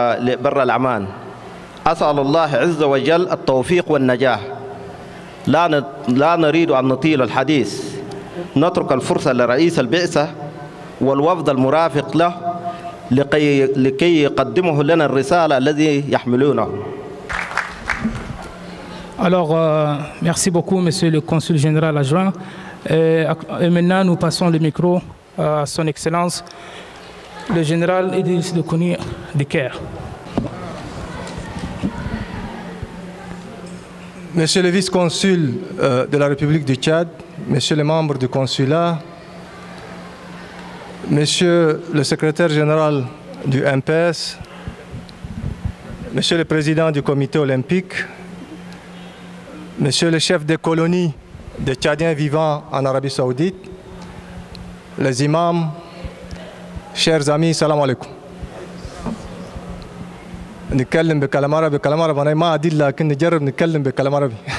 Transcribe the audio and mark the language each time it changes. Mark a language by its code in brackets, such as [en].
[ar] لبر العمان أسأل الله عز وجل التوفيق والنجاح لا نريد أن نطيل الحديث نترك الفرصة لرئيس البعثة والوفد المرافق له لكي يقدمه لنا الرسالة الذي يحملونه. [fr] Alors, merci beaucoup, Monsieur le Consul Général Adjoint. Et maintenant, nous passons le micro à Son Excellence, le Général Idriss Dokoni du Caire. Monsieur le Vice-Consul de la République du Tchad, Monsieur les membres du Consulat, Monsieur le Secrétaire Général du MPS, Monsieur le Président du Comité Olympique, Monsieur le chef des colonies des Tchadiens vivant en Arabie Saoudite, les imams, chers amis, salam alaikum. [ar] نتكلم بكلام عربي كلام عربي انا ما عادي لكن نجرب نتكلم بكلام عربي.